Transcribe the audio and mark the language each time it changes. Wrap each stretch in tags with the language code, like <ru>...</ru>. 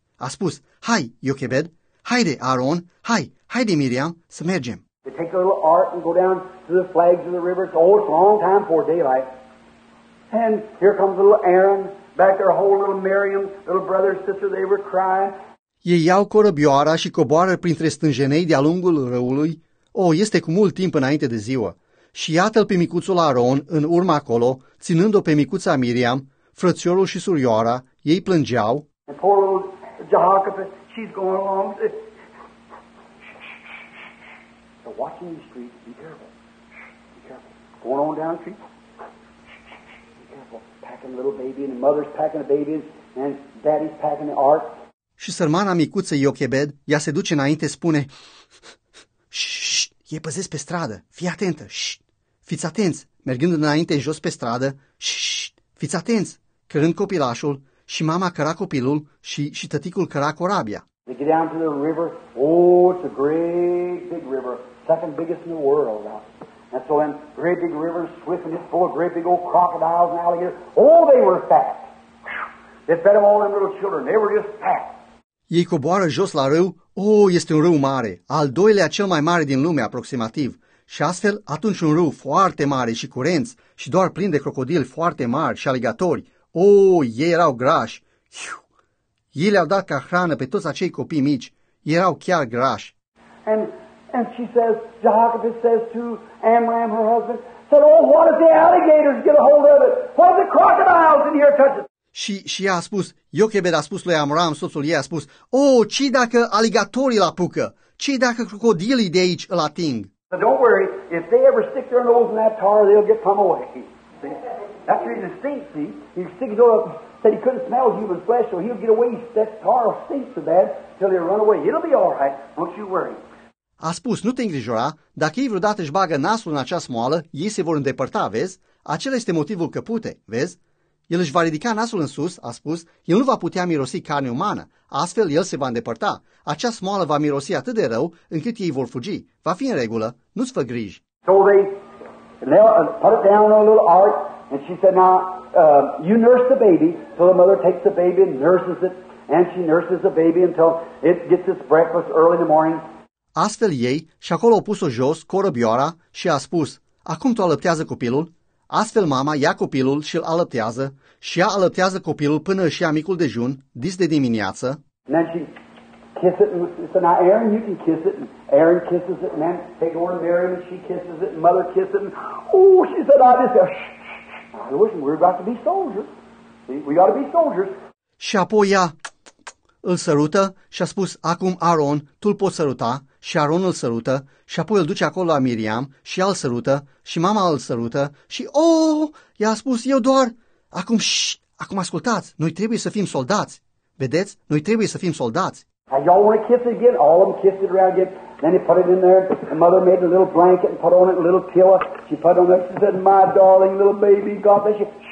<ro>A spus, hai, Iochebed, haide, Aaron, hai, haide, Miriam, să mergem.</ro> <en>They take a little ark and go down to the flags of the river. Oh, it's a long time before daylight. And here comes little Aaron. Back there, a whole little Miriam, little brother, sister, they were crying.</en> <ro>Ei iau corăbioara și coboară printre stânjenei de-a lungul râului. Oh, este cu mult timp înainte de ziua. Și iată-l pe micuțul Aaron, în urma acolo, ținând-o pe micuța Miriam, frățiorul și surioara, ei plângeau.</ro> <en>And poor little Jehoshaphat, she's going along. So watching the street, be careful. Be careful. Going on down the street. Packing a little baby and the mother's packing the babies and daddy's packing the ark.</en> <ro>Și sărmana micuță Iochebed, ea se duce înainte, spune, ei păzesc pe stradă, fii atentă, fiți atenți, mergând înainte jos pe stradă, fiți atenți, cărând copilașul și mama căra copilul și tăticul căra corabia.</ro> <en>They get down to the river, oh, it's a great big river, second biggest in the world now. And so then, great big river, swift, and it's full of great big old crocodiles and alligators. Oh, they were fat. They fed them all them little children. They were just fat.</en> <ro>Ei coboară jos la râu. Oh, este un râu mare, al doilea cel mai mare din lume, aproximativ. Și astfel, atunci un râu foarte mare și curenț și doar plin de crocodili foarte mari și aligatori. Oh, ei erau grași. Ei le-au dat ca hrană pe toți acei copii mici. Erau chiar grași.</ro> <en>And she says, Jehoshaphat says to Amram, her husband, said, oh, what if the alligators get a hold of it? What if the crocodiles in here touch it?</en> <ro>Și ea a spus, Iochebed a spus lui Amram, soțul ei a spus, oh, ce dacă aligatorii îl apucă? Ce dacă crocodilii de aici îl ating?</ro> <en>So don't worry, if they ever stick their nose in that tar, they'll get come away. See? That's the reason it stinks, see? He stick his nose up, said he couldn't smell human flesh, so he'll get away, that tar will stink so bad, till they run away. It'll be all right, don't you worry.</en> <ro>A spus, nu te îngrijora, dacă ei vreodată își bagă nasul în acea smoală, ei se vor îndepărta, vezi? Acela este motivul că pute, vezi? El își va ridica nasul în sus, a spus, el nu va putea mirosi carne umană, astfel el se va îndepărta. Acea smoală va mirosi atât de rău, încât ei vor fugi. Va fi în regulă, nu-ți fă griji.</ro> <en>So they put it down on a little ark, and she said, now, you nurse the baby, so the mother takes the baby and nurses it, and she nurses the baby until it gets its breakfast early in the morning.</en> <ro>Astfel ei, și acolo au pus-o jos, corăbioara, și a spus, acum tu alăptează copilul? Astfel mama ia copilul și îl alăptează, și ea alăptează copilul până își ia micul dejun, dis de dimineață.</ro> <en>And then she kiss it, and so now Aaron, you can kiss it, and Aaron kisses it, and then take over to Mary, and she kisses it, and mother kisses it, and oh, she said, I just, I wish we were about to be soldiers. See, we got to be soldiers.</en> <ro>Și apoi ea îl sărută și a spus, acum Aaron, tu-l poți săruta. Și Aaron îl sărută și apoi îl duce acolo la Miriam și ea îl sărută și mama îl sărută și, oh, i-a spus, eu doar, acum, acum ascultați, noi trebuie să fim soldați. Vedeți, noi trebuie să fim soldați.</ro> <en>And y'all want to kiss it again? All of them kissed it around again. Then he put it in there. The mother made a little blanket and put on it a little pillow. She put it on there. She said, "My darling little baby, God bless you."</en>